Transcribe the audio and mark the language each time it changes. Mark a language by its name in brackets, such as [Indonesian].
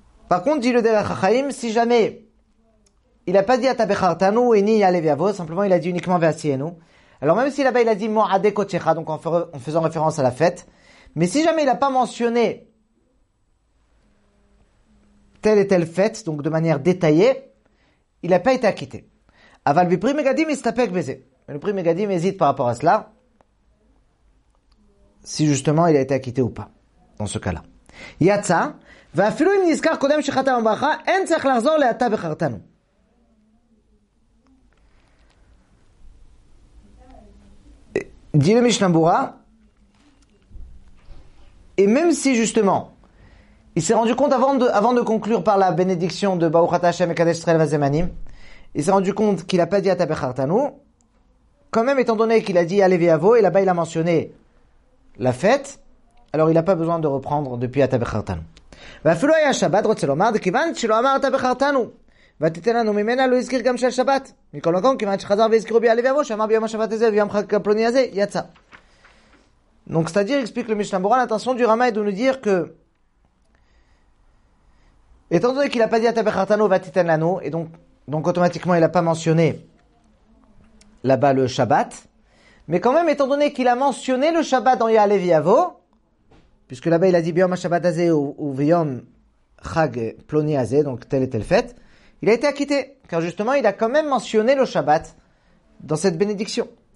[French] Par contre, dit le Derech HaChaim, si jamais il n'a pas dit Atabechartanu et ni Yaleviavo, simplement il a dit uniquement Veasienu, alors même si là-bas il a dit Mo'ade Kotchecha, donc en faisant référence à la fête, mais si jamais il n'a pas mentionné telle et telle fête, donc de manière détaillée, il n'a pas été acquitté. [Hebrew] Aval Bipri Megadim Istapek Beze. [French] Le Bipri Megadim hésite par rapport à cela, si justement il a été acquitté ou pas, dans ce cas-là. [Hebrew] Yatsa. ואפילו אם נזכר קודם שחתם ברכה, אין צריך לחזור לאתה בחרתנו. דיל למשנה ברורה, [French] et même si justement, il s'est rendu compte avant de conclure par la bénédiction de [Hebrew] ברוך אתה השם מקדש ישראל וזמנים, [French] il s'est rendu compte qu'il n'a pas dit אתה בחרתנו, quand même étant donné qu'il a dit allez ויבוא, et là-bas il a mentionné la fête, alors il n'a pas besoin de reprendre depuis אתה בחרתנו. [Hebrew] ואפילו היה שבת רוצה לומר כיוון שלא אמרת בחרתנו ותיתן לנו ממנה לא הזכיר גם של שבת מכל מקום כיוון שחזר והזכירו ביעלי ויבוא שאמר ביום השבת הזה ויום חג הפלוני הזה יצא. [French] Donc c'est à dire explique le Mishnah Berurah, l'intention du Rama est de nous dire que étant donné qu'il n'a pas dit Ata Bechartanu ותיתן לנו, et donc automatiquement il n'a pas mentionné là-bas le Shabbat, mais quand même étant donné qu'il a mentionné le Shabbat dans Yaleh Ve'Yavoh, puisque là-bas il a dit Biyom HaShabbat Hazé ou Biyom Chag Ploni Hazé, donc telle et telle fête, il a été acquitté, car justement il a quand même mentionné le Shabbat dans cette bénédiction.